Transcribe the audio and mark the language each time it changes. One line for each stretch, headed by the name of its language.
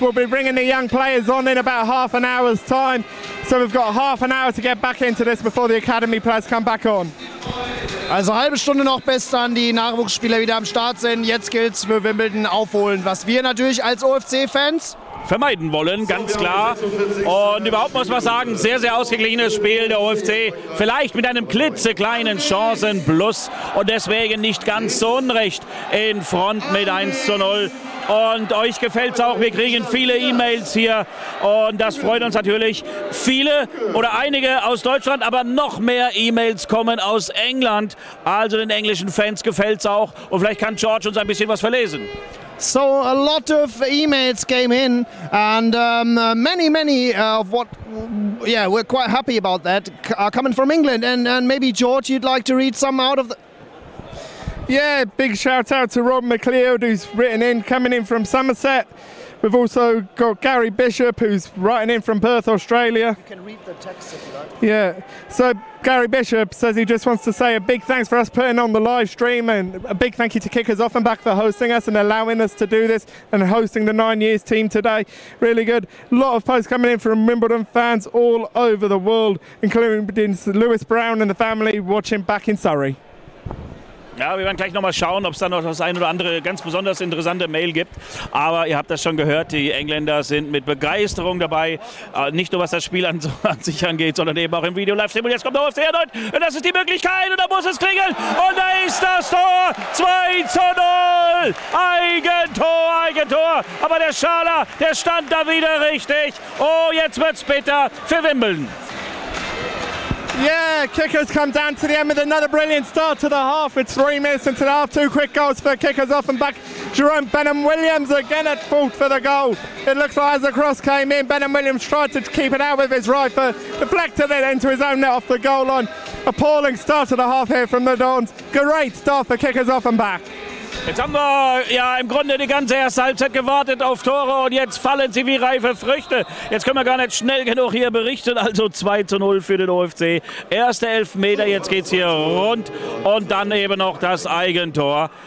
English: We'll be bringing the young players on in about half an hour's time. So we've got half an hour to get back into this before the academy players come back on.
German: Also halbe Stunde noch bis dann die Nachwuchsspieler wieder am Start sind. Jetzt gilt's für Wimbledon aufholen, was wir natürlich als OFC-Fans vermeiden wollen, ganz klar. Und überhaupt muss man sagen, sehr, sehr ausgeglichenes Spiel der OFC. Vielleicht mit einem klitzekleinen Chancenplus und deswegen nicht ganz so unrecht in Front mit 1:0. Und euch gefällt es auch, wir kriegen viele E-Mails hier und das freut uns natürlich. Viele oder einige aus Deutschland, aber noch mehr E-Mails kommen aus England. Also den englischen Fans gefällt es auch und vielleicht kann George uns ein bisschen was verlesen.
English: So a lot of emails came in and many of what, yeah, we're quite happy about that, are coming from England. And maybe George, you'd like to read some out of the... Yeah, big shout out to Rob McLeod, who's written in, coming in from Somerset. We've also got Gary Bishop, who's writing in from Perth, Australia. You can read the text if you like. Yeah, so Gary Bishop says he just wants to say a big thanks for us putting on the live stream and a big thank you to Kickers Offenbach for hosting us and allowing us to do this and hosting the 9 years team today. Really good. A lot of posts coming in from Wimbledon fans all over the world, including Lewis Brown and the family watching back in Surrey.
German: Ja, wir werden gleich nochmal schauen, ob es da noch das ein oder andere ganz besonders interessante Mail gibt. Aber ihr habt das schon gehört, die Engländer sind mit Begeisterung dabei. Nicht nur was das Spiel an sich angeht, sondern eben auch im Video-Livestream. Und jetzt kommt der OFC erneut. Und das ist die Möglichkeit. Und da muss es klingeln. Und da ist das Tor. 2:0. Eigentor, Eigentor. Aber der Schaller, der stand da wieder richtig. Oh, jetzt wird's bitter für Wimbledon.
English: Yeah, Kickers come down to the end with another brilliant start to the half. With 3 minutes into the half, two quick goals for Kickers off and back. Jerome Benham-Williams again at fault for the goal. It looks like as the cross came in, Benham-Williams tried to keep it out with his right foot, deflected it into his own net off the goal line. Appalling start to the half here from the Dons. Great start for Kickers off and back.
German: Jetzt haben wir ja im Grunde die ganze erste Halbzeit gewartet auf Tore und jetzt fallen sie wie reife Früchte. Jetzt können wir gar nicht schnell genug hier berichten. Also 2:0 für den OFC. Erste Elfmeter, jetzt geht's hier rund und dann eben noch das Eigentor.